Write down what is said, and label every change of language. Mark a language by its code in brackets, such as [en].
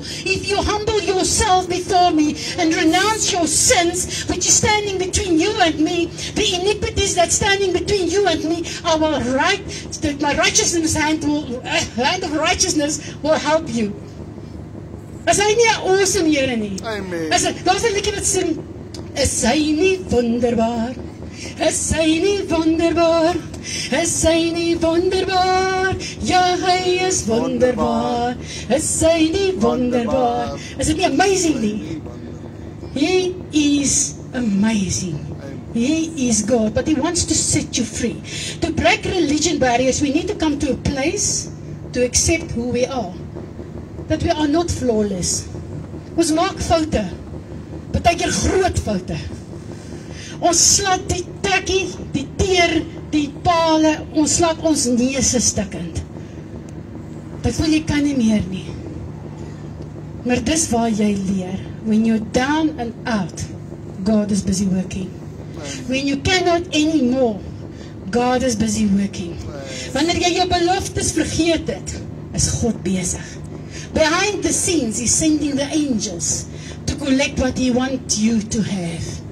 [en] If you humble yourself before me and renounce your sins, which is standing between you and me, the iniquities that's standing between you and me, I will write that my righteousness hand of righteousness will help you. [af] Is hy nie awesome, Here nie? Amen. Daar is een liedje wat sing, is hy nie wonderbaar? Is hy nie wonderbaar? Is hy nie wonderbaar? Ja, hy is wonderbaar. Is hy nie wonderbaar? Is dit nie amazing nie? [en] He is amazing. He is God. But He wants to set you free. To break religion barriers, we need to come to a place to accept who we are. That we are not flawless. [af] Ons maak foute. Partykeer groot foute. Ons slaat die trekkie, die teer, die pale, ons slaat ons neuse stikkend. Dit voel jy kan nie meer nie. Maar dis waar jy leer. [en] When you're down and out, God is busy working. When you cannot anymore, God is busy working. [af] Wanneer jy jou beloftes vergeet het, is God besig. [en] Behind the scenes, He's sending the angels to collect what He wants you to have.